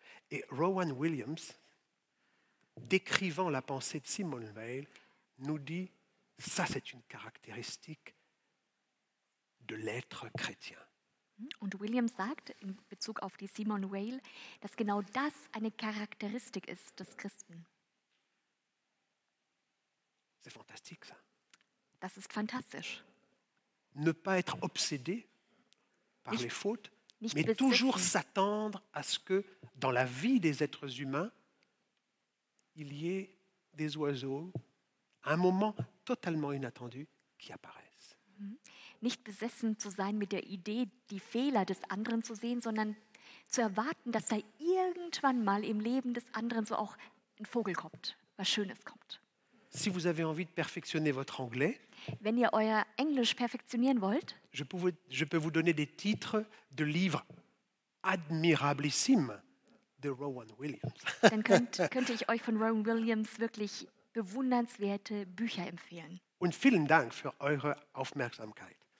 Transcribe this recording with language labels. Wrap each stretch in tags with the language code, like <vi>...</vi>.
<fr>Et Rowan Williams, décrivant la pensée de Simone Weil, nous dit, ça c'est une caractéristique de l'être chrétien.</fr> <de>Und William sagt in Bezug auf die Simone Weil, dass genau das eine Charakteristik ist des Christen.</de> <fr>C'est fantastique, ça.</fr> <de>Das ist fantastisch.</de> <fr>Ne pas être obsédé par les fautes, mais toujours s'attendre à ce que dans la vie des êtres humains, il y ait des oiseaux, un moment totalement inattendu, qui apparaissent.</fr> <de>Nicht besessen zu sein mit der Idee, die Fehler des anderen zu sehen, sondern zu erwarten, dass da irgendwann mal im Leben des anderen so auch ein Vogel kommt, was Schönes kommt.</de> <fr>Si vous avez envie de perfectionner votre anglais,</fr> <de>wenn ihr euer Englisch perfektionieren wollt,</de> <fr>je peux vous donner des titres de livres admirablissimes de Rowan Williams.</fr> <de>Dann könnte ich euch von Rowan Williams wirklich bewundernswerte Bücher empfehlen. Und vielen Dank für eure Aufmerksamkeit.</de>